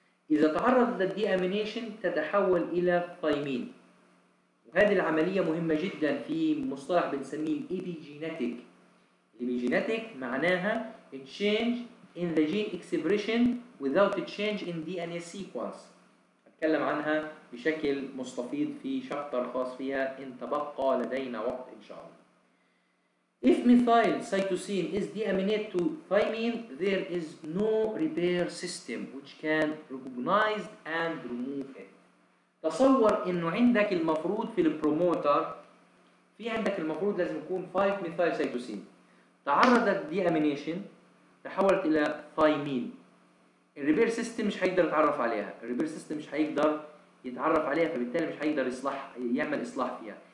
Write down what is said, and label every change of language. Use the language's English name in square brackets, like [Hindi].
[Arabic] اذا تعرض للدي امينيشن تتحول الى ثيمين، وهذه العمليه مهمه جدا في مصطلح بنسميه الايبيجينيتيك. الايبيجينيتيك معناها [English] Change in the gene expression without a change in DNA sequence. [Arabic] اتكلم عنها بشكل مستفيض في شابتر خاص فيها ان تبقى لدينا وقت ان شاء الله. [English] If methyl cytosine is deaminated to thymine, there is no repair system which can recognize and remove it. [Arabic] تصور انه عندك المفروض في البروموتر، في عندك المفروض لازم يكون 5 methyl cytosine. تعرضت deamination تحولت الى ثايمين، الريبير سيستم مش هيقدر يتعرف عليها، الريبير سيستم مش هيقدر يتعرف عليها، فبالتالي مش هيقدر يصلح يعمل اصلاح فيها.